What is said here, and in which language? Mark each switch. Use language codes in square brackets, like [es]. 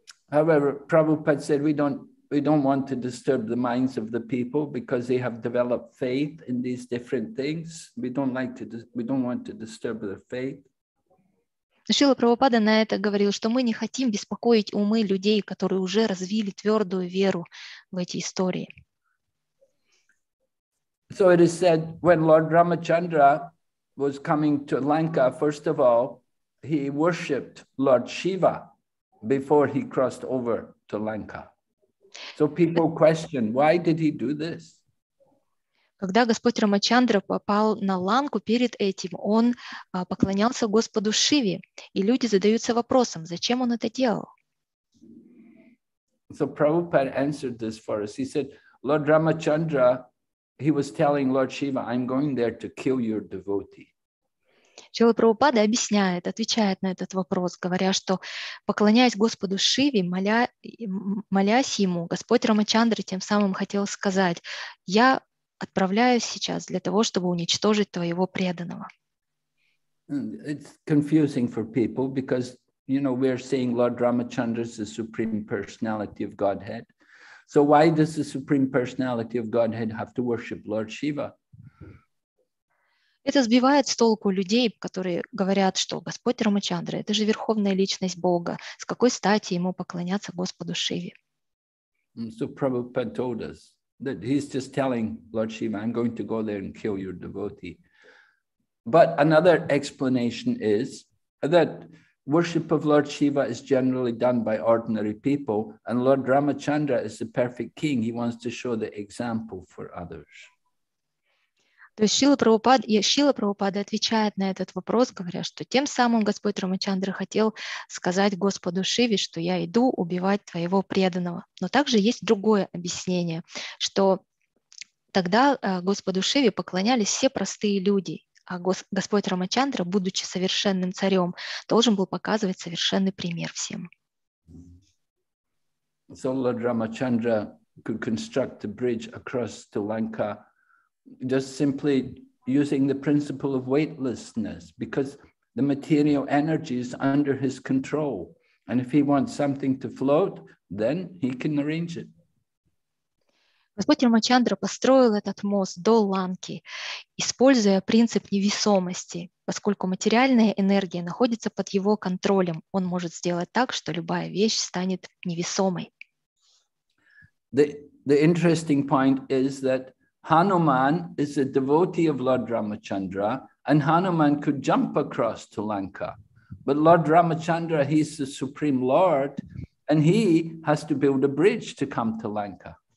[en] However, Prabhupada said we don't want to disturb the minds of the people because they have developed faith in these different things. We don't want to disturb their faith. [ru] Шрила Прабхупада на это говорил, что мы не хотим беспокоить умы людей, которые уже развили твердую веру в эти истории. [en] So it is said when Lord Ramachandra was coming to Lanka, first of all, he worshipped Lord Shiva before he crossed over to Lanka. So people question, why did he do this? [ru] Когда Господь Рамачандра попал на Ланку, перед этим он поклонялся Господу Шиве, и люди задаются вопросом, зачем он это делал? [en] So Prabhupada answered this for us. He said, Lord Ramachandra, he was telling Lord Shiva, I'm going there to kill your devotee. [ru] Шрила Прабхупада объясняет, отвечает на этот вопрос, говоря, что поклоняясь Господу Шиве, молясь Ему, Господь Рамачандра тем самым хотел сказать, я отправляюсь сейчас для того, чтобы уничтожить твоего преданного. [en] It's confusing for people because, you know, we're saying Lord Ramachandra is the Supreme Personality of Godhead. So why does the Supreme Personality of Godhead have to worship Lord Shiva? [ru] Это сбивает с толку людей, которые говорят, что Господь Рамачандра – это же верховная личность Бога. С какой стати ему поклоняться Господу Шиве? [en] So Prabhupada told us that he's just telling Lord Shiva, I'm going to go there and kill your devotee. But another explanation is that worship of Lord Shiva is generally done by ordinary people, and Lord Ramachandra is the perfect king. He wants to show the example for others. [ru] То есть Шрила Прабхупада отвечает на этот вопрос, говоря, что тем самым Господь Рамачандра хотел сказать Господу Шиве, что я иду убивать твоего преданного. Но также есть другое объяснение, что тогда Господу Шиве поклонялись все простые люди, а Господь Рамачандра, будучи совершенным царем, должен был показывать совершенный пример всем. [en] So Lord Ramachandra could construct the bridge across to Lanka just simply using the principle of weightlessness, because the material energy is under his control. And if he wants something to float, then he can arrange it. [ru] Господь Рамачандра построил этот мост до Ланки, используя принцип невесомости. Поскольку материальная энергия находится под его контролем, он может сделать так, что любая вещь станет невесомой. [en] The interesting point is that Hanuman is a devotee of Lord Ramachandra, and Hanuman could jump across to Lanka. But Lord Ramachandra, he's the Supreme Lord, and he has to build a bridge to come to Lanka.